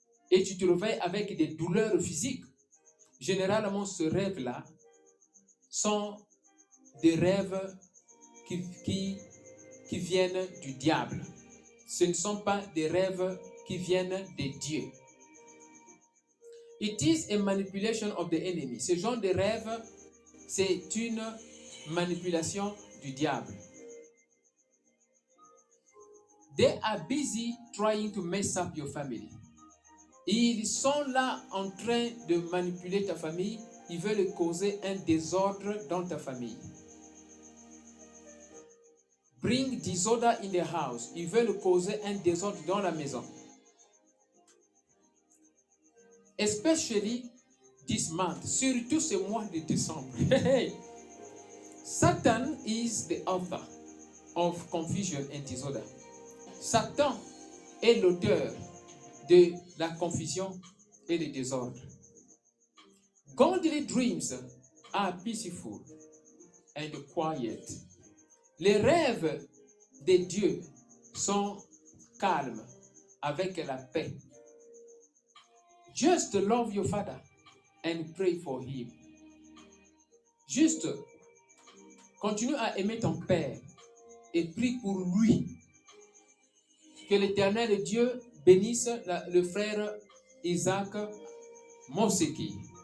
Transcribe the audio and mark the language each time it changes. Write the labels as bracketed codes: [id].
[fr] Et tu te réveilles avec des douleurs physiques. Généralement, ce rêve-là sont des rêves qui viennent du diable. Ce ne sont pas des rêves qui viennent de Dieu. [en] It is a manipulation of the enemy. [fr] Ce genre de rêve, c'est une manipulation du diable. [en] They are busy trying to mess up your family. [fr] Ils sont là en train de manipuler ta famille. Ils veulent causer un désordre dans ta famille. [en] Bring disorder in the house. [fr] Ils veulent causer un désordre dans la maison. [en] Especially this month, [fr] surtout ce mois de décembre. [en] Satan is the author of confusion and disorder. [fr] Satan est l'auteur de la confusion et du désordre. [en] Godly dreams are peaceful and quiet. [fr] Les rêves de Dieu sont calmes avec la paix. [en] Just love your father and pray for him. [fr] Juste, continue à aimer ton père et prie pour lui. Que l'Éternel Dieu bénisse le frère Isaac Moseki.